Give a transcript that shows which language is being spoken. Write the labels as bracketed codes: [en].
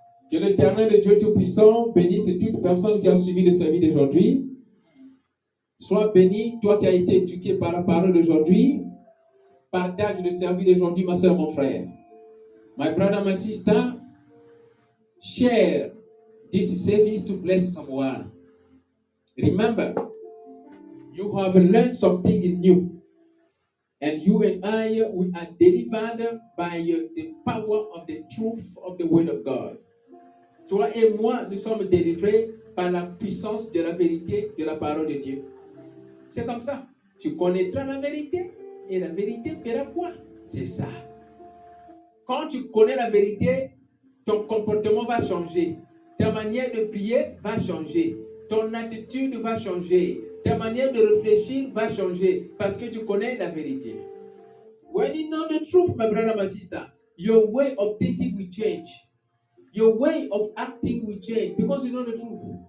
[fr] Que l'Éternel, le Dieu Tout-Puissant, bénisse toute personne qui a suivi le service d'aujourd'hui. Sois béni, toi qui as été éduqué par la parole d'aujourd'hui. Partage le service d'aujourd'hui, ma soeur, mon frère. [en] My brother, my sister, share this service to bless someone. Remember, you have learned something new. And you and I, we are delivered by the power of the truth of the word of God. [fr] Toi et moi, nous sommes délivrés par la puissance de la vérité de la parole de Dieu. C'est comme ça. Tu connaîtras la vérité et la vérité fera quoi? C'est ça. Quand tu connais la vérité, ton comportement va changer. Ta manière de prier va changer. Ton attitude va changer. Ta manière de réfléchir va changer parce que tu connais la vérité. [en] When you know the truth, my brother, my sister, your way of thinking will change. Your way of acting will change because you know the truth.